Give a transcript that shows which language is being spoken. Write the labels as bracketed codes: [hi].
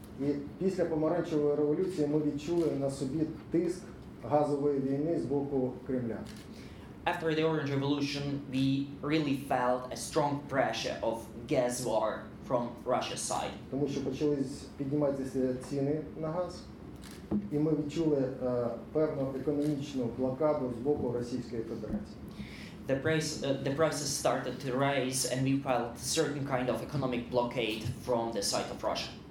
[uk] І після помаранчевої революції ми відчули на собі тиск газової війни з боку Кремля. [en] After the Orange Revolution, we really felt a strong pressure of gas war from Russia's side. [uk] Тому що почали підніматися ціни на газ, і ми відчули певну економічну блокаду з боку Російської Федерації. [en] The prices started to rise, and we felt a certain kind of economic blockade from the side of Russia.